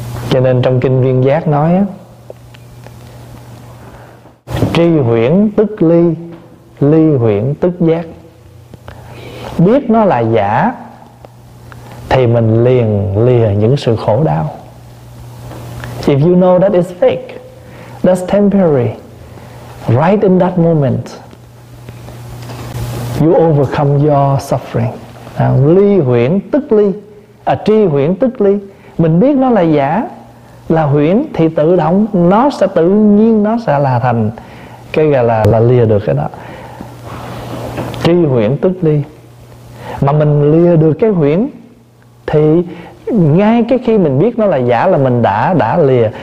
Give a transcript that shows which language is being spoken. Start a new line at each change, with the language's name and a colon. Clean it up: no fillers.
Vietnamese: Cho nên trong kinh Viên Giác nói á, tri huyễn tức ly, ly huyễn tức giác. Biết nó là giả thì mình liền lìa những sự khổ đau.
English: If you know that it's fake, that's temporary, right in that moment you overcome your suffering.
Vietnamese: Ly huyễn tức ly, tri huyễn tức ly. Mình biết nó là giả, là huyễn, thì tự động nó sẽ tự nhiên nó sẽ là thành cái gọi là lìa được cái đó. Tri huyễn tức ly. Mà mình lìa được cái huyễn thì ngay cái khi mình biết nó là giả là mình đã lìa.